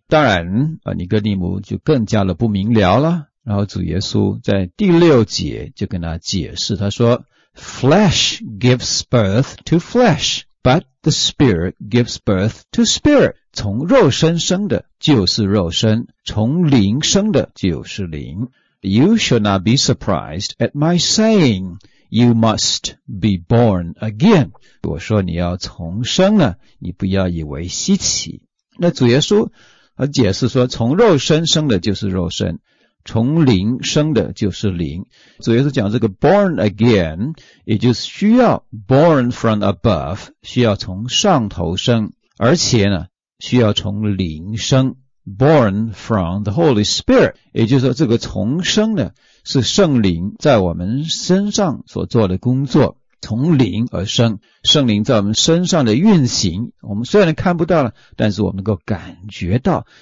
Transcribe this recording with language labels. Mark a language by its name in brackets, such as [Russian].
[Chinese] 当然尼哥底母就更加的不明了了，然后主耶稣在第六节就跟他解释，他说 Flesh gives birth to flesh but the spirit gives birth to spirit。从肉身生的就是肉身，从灵生的就是灵。 [English] You shall not be surprised at my saying you must be born again。 [Chinese] 我说你要重生了，你不要以为稀奇。那主耶稣解释说，从肉身生的就是肉身，从灵生的就是灵。主耶稣讲这个 born again 也就是需要 born from above，需要从上头生，而且呢需要从灵生， born from the Holy Spirit，也就是说这个重生呢是圣灵在我们身上所做的工作，从灵而生，圣灵在我们身上的运行，我们虽然看不到了，但是我们能够感觉到。